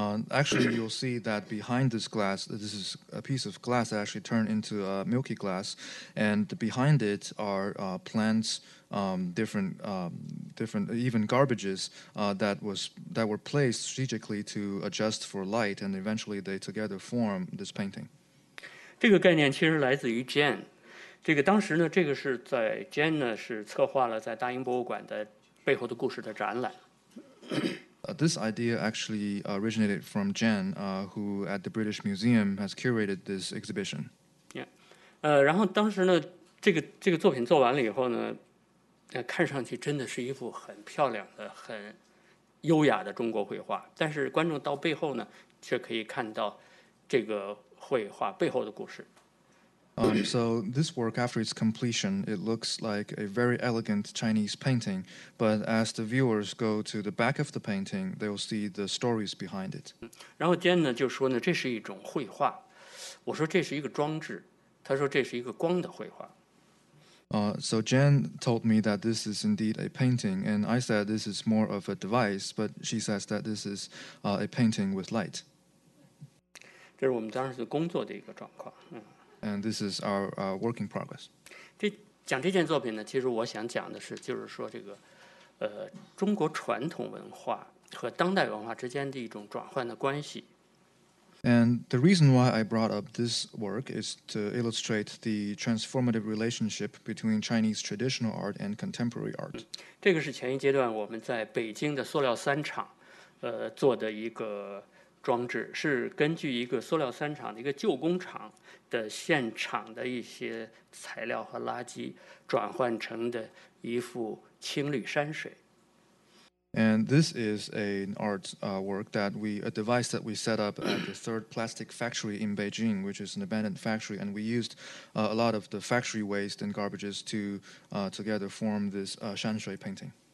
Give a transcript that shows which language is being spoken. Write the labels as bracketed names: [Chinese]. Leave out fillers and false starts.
[English] Actually, you'll see that behind this glass, this is a piece of glass that actually turned into a milky glass, and behind it are plants, different, even garbages that were placed strategically to adjust for light, and eventually they together form this painting. [Chinese] 这个概念其实来自于 Jen. 这个当时呢，这个是在 Jen 呢是策划了在大英博物馆的背后的故事的展览。 [English] This idea actually originated from Jen, who at the British Museum has curated this exhibition. Yeah. [Chinese] 然后当时呢，这个作品做完了以后呢，看上去真的是一幅很漂亮的、很优雅的中国绘画。但是观众到背后呢，却可以看到这个绘画背后的故事。 [English] So this work, after its completion, it looks like a very elegant Chinese painting. But as the viewers go to the back of the painting, they'll see the stories behind it. [Chinese] 然后 Jen 呢就说呢，这是一种绘画。我说这是一个装置。他说这是一个光的绘画。 [English] So Jen told me that this is indeed a painting, and I said this is more of a device. But she says that this is a painting with light. [Chinese] 这是我们当时工作的一个状况。嗯。 [English] And this is our work in progress. [Chinese] 这讲这件作品呢，其实我想讲的是，就是说这个，中国传统文化和当代文化之间的一种转换的关系。 [English] And the reason why I brought up this work is to illustrate the transformative relationship between Chinese traditional art and contemporary art. [Chinese] 这个是前一阶段我们在北京的塑料三厂，做的一个装置，是根据一个塑料三厂的一个旧工厂。的现场的一些材料和垃圾转换成的一幅青绿山水。 [English] And this is an art work that we a device that we set up at the third plastic factory in Beijing, which is an abandoned factory, and we used a lot of the factory waste and garbages to together form this 山水 painting.